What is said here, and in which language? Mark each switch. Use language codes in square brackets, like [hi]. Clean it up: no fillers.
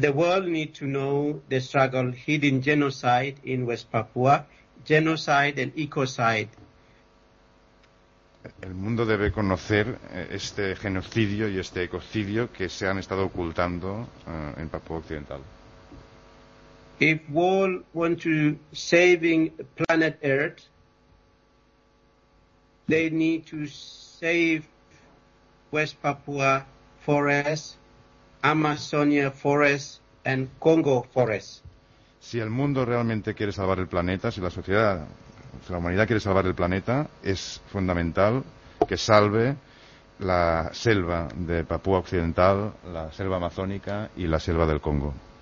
[en] The world need to know the struggle hidden genocide in West Papua, genocide and ecocide. [es] El mundo debe conocer este genocidio y este ecocidio que se han estado ocultando en Papúa Occidental. [en] If world want to saving planet Earth, they need to save West Papua forest, Amazonia forest and Congo forest. [es] Si el mundo realmente quiere salvar el planeta, si la sociedad, si la humanidad quiere salvar el planeta, es fundamental que salve la selva de Papúa Occidental, la selva amazónica y la selva del Congo.